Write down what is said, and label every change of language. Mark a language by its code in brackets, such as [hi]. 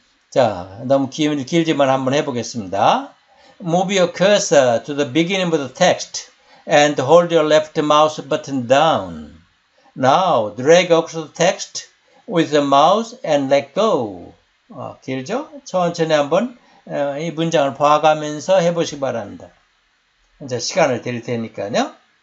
[ko] 자, 너무 길지만 한번 해보겠습니다. [en] Move your cursor to the beginning of the text and hold your left mouse button down. Now drag across the text with the mouse and let go. [ko] 길죠? 천천히 한번 이 문장을 봐가면서 해보시기 바랍니다. 이제 시간을 드릴 테니까요.